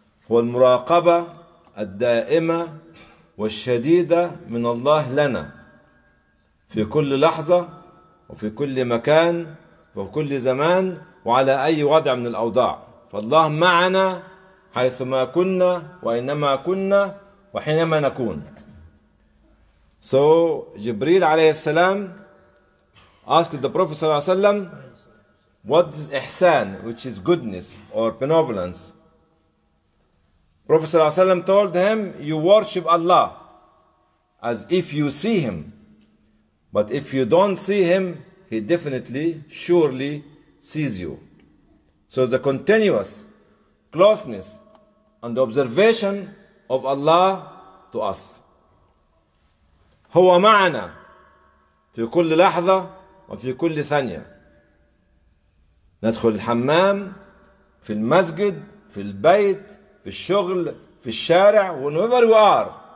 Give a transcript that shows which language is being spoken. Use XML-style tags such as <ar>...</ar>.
<ar>هو المراقبة الدائمة والشديدة من الله لنا في كل لحظة وفي كل مكان وفي كل زمان وعلى أي وضع من الأوضاع. فالله معنا حيثما كنا وإنما كنا وحينما نكون.</ar> <en>So جبريل عليه السلام asked the Prophet صلى الله عليه وسلم what is إحسان, which is goodness or benevolence. Prophet صلى الله عليه وسلم told him you worship Allah as if you see him, but if you don't see him, he definitely, surely sees you. So the continuous closeness and observation of Allah to us.</en> <ar>هو معنا في كل لحظة وفي كل ثانية. ندخل الحمام، في المسجد، في البيت، في الشغل، في الشارع،</ar> <en>whenever we are.</en>